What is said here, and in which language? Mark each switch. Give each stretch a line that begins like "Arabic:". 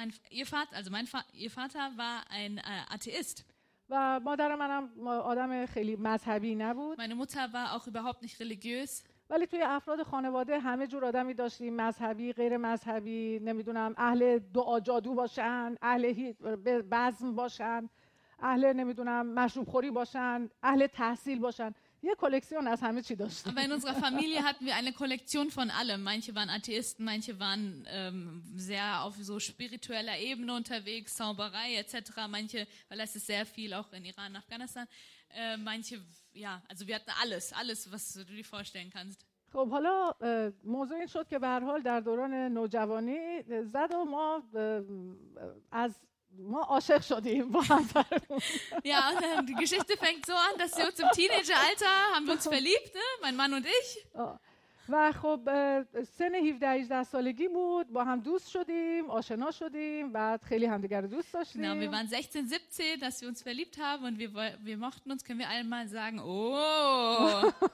German: Ihr Vater war ein Atheist.
Persian: و مادر منم آدم خیلی مذهبی نبود.
German: Meine Mutter war auch überhaupt nicht religiös.
Persian: ولی توی افراد خانواده همه جور آدمی داشتیم، مذهبی، غیر مذهبی، نمیدونم اهل دعا جادو باشن، اهل بزم باشن، اهل نمیدونم مشروب خوری باشن، اهل تحصیل باشن. یه کلکسیون از همه چی داشتیم.
German: Aber in unserer Familie hatten wir eine Kollektion von allem. Manche waren Atheisten, manche waren sehr auf so spiritueller Ebene unterwegs, Zauberei etc. Manche, weil das ist sehr viel auch in Iran, Afghanistan. Manche, ja, also wir hatten alles, was du dir vorstellen kannst.
Persian: خب حالا موضوع این شد که به هر حال در دوران نوجوانی زد و ما از ما عاشق شدیم با هم.
German: Ja, und die Geschichte fängt so an, dass wir uns im Teenageralter haben wir uns verliebt, mein Mann und ich.
Persian: و خب سن 17-18 سالگی بود، با هم دوست شدیم، آشنا شدیم، بعد خیلی همدیگر رو دوست داشتیم.
German: Genau, wir waren 16-17, dass wir uns verliebt haben und wir mochten uns, können wir einmal sagen, oh.